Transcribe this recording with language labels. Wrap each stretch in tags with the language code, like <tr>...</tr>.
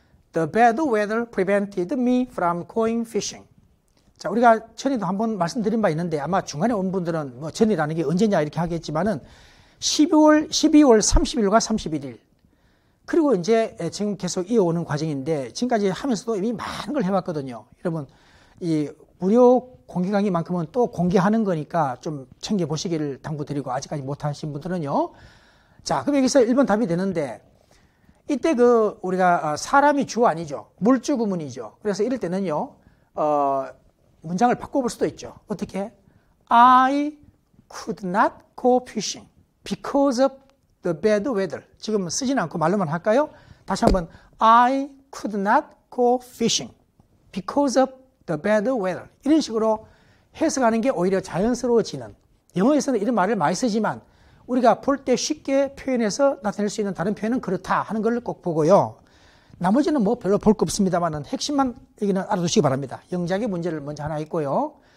<en>The bad weather prevented me from going fishing.</en> <ko>자, 우리가 전에도 한번 말씀드린 바 있는데 아마 중간에 온 분들은 뭐 전이라는 게 언제냐 이렇게 하겠지만은 12월 30일과 31일. 그리고 이제 지금 계속 이어오는 과정인데 지금까지 하면서도 이미 많은 걸 해봤거든요. 여러분, 이 무료 공개 강의만큼은 또 공개하는 거니까 좀 챙겨보시기를 당부드리고 아직까지 못하신 분들은요. 자, 그럼 여기서 1번 답이 되는데 이때 그 우리가 사람이 주어 아니죠. 물주구문이죠. 그래서 이럴 때는요. 문장을 바꿔볼 수도 있죠. 어떻게?</ko> <en>I could not go fishing because of the bad weather.</en> <ko>지금 쓰진 않고 말로만 할까요? 다시 한번.</ko> <en>I could not go fishing because of the bad weather.</en> <ko>이런 식으로 해석하는 게 오히려 자연스러워지는. 영어에서는 이런 말을 많이 쓰지만 우리가 볼때 쉽게 표현해서 나타낼 수 있는 다른 표현은 그렇다 하는 걸꼭 보고요. 나머지는 뭐 별로 볼거 없습니다만은 핵심만 여기는 알아두시기 바랍니다. 영작의 문제를 먼저 하나 읽고요.</ko>